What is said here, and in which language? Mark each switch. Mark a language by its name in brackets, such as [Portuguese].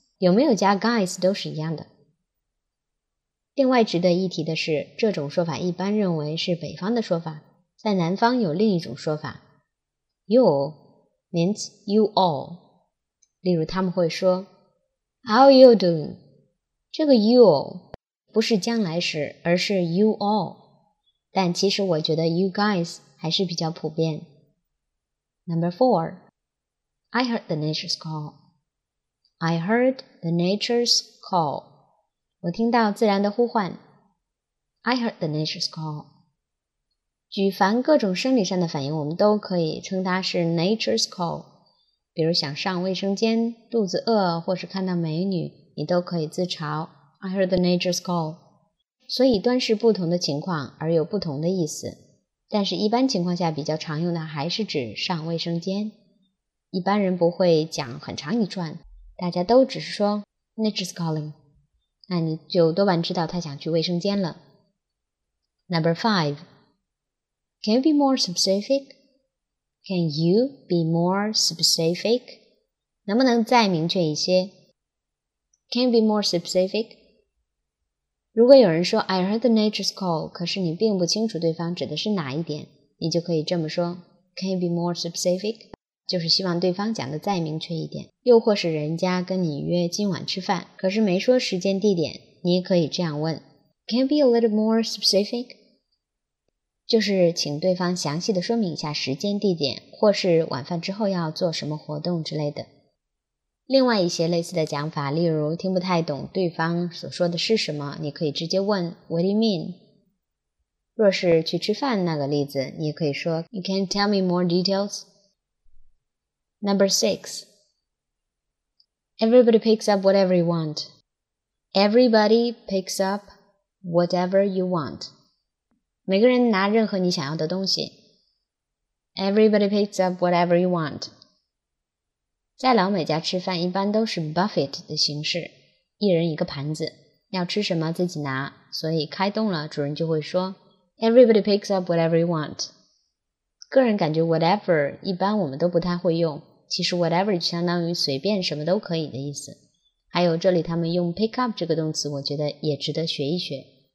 [Chinese] 有没有加 guys 都是一样的。另外值得一提的是，这种说法一般认为是北方的说法，在南方有另一种说法 [English] You means you all. [Chinese] 例如他们会说 [English] How you doing? [Chinese] 这个 [English] you all [Chinese] 不是将来时，而是 you all. 但其实我觉得 [English] you guys [Chinese] 还是比较普遍。 [English] Number 4. I heard the nature's call. I heard the nature's call. [Chinese] 我听到自然的呼唤。 [English] I heard the nature's call. [Chinese] 举凡各种生理上的反应，我们都可以称它是 [English] nature's call。 [Chinese] 比如想上卫生间，肚子饿，或是看到美女，你都可以自嘲 [English] I heard the nature's call. [Chinese] 所以端是不同的情况而有不同的意思，但是一般情况下比较常用的还是指上卫生间。一般人不会讲很长一串，大家都只是说 [English] Nature's calling, [Chinese] 那你就多半知道他想去卫生间了。 [English] Number 5. Can you be more specific? Can you be more specific? [Chinese] 能不能再明确一些？ [English] Can you be more specific? [Chinese] 如果有人说 [English] I heard the nature's call, [Chinese] 可是你并不清楚对方指的是哪一点，你就可以这么说 [English] Can you be more specific? [Chinese] 就是希望对方讲得再明确一点。又或是人家跟你约今晚吃饭，可是没说时间地点，你也可以这样问 [English] Can you be a little more specific? [Chinese] 就是请对方详细的说明一下时间地点，或是晚饭之后要做什么活动之类的。另外一些类似的讲法，例如听不太懂对方所说的是什么，你可以直接问 [English] What do you mean? [Chinese] 若是去吃饭那个例子，你可以说 [English] You can tell me more details? Number 6 Everybody picks up whatever you want. Everybody picks up whatever you want. [Chinese] 每个人拿任何你想要的东西。 [English] Everybody picks up whatever you want. [Chinese] 在老美家吃饭一般都是 buffet 的形式，一人一个盘子，要吃什么自己拿，所以开动了主人就会说 [English] Everybody picks up whatever you want. [Chinese] 个人感觉 whatever 一般我们都不太会用，其实 whatever 相当于随便什么都可以的意思。还有这里他们用 [English] pick up [Chinese] 这个动词，我觉得也值得学一学。